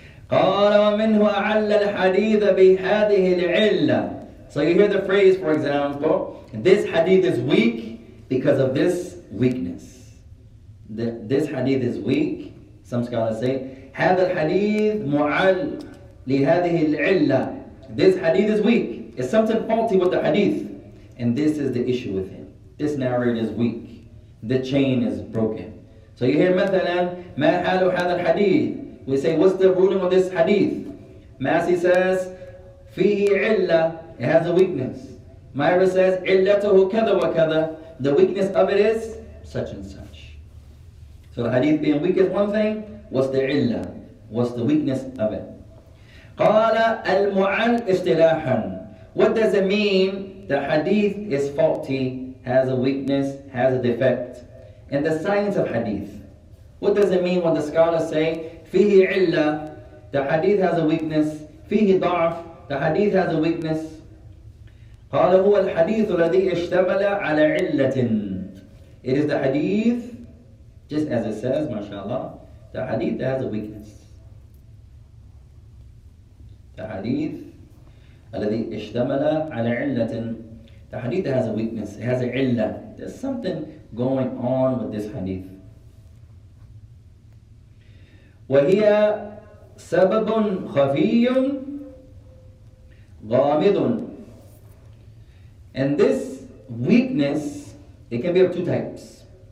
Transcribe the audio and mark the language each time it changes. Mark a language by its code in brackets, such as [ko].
[en] Alhamdulillah. May Allah make it easy. So you hear the phrase, for example, this hadith is weak because of this weakness. This hadith is weak. Some scholars say, [ar] هذا الحديث معل لهذه العلة. [en] This hadith is weak. It's something faulty with the hadith. And this is the issue with it. This narrator is weak. The chain is broken. So you hear [ar] مثلاً ما حال هذا الحديث. [en] We say, what's the ruling of this hadith? Masi says, [ar] فيه علة. [en] It has a weakness. [ar] Myra says, علته كذا وكذا. [en] The weakness of it is such and such. So the hadith being weak is one thing. What's the علة? What's the weakness of it? [ar] قال المعل اصطلاحاً. [en] What does it mean the hadith is faulty, has a weakness, has a defect? And the science of hadith. What does it mean when the scholars say, [ar] fihi illa, [en] the hadith has a weakness, [ar] fihi da'af, [en] the hadith has a weakness? [ar] قَالَ هُوَ الْحَدِيثُ الَّذِي اشْتَمَلَ عَلَى عِلَّةٍ. [en] It is the hadith, just as it says, mashallah, the hadith has a weakness. The hadith, [ar] الَّذِي اشْتَمَلَ عَلَى عِلَّةٍ. [en] The hadith has a weakness, it has an illah. There's something going on with this hadith. [ar] وَهِيَ سَبَبٌ خَفِيٌّ غَامِضٌ. [en] And this weakness, it can be of two types.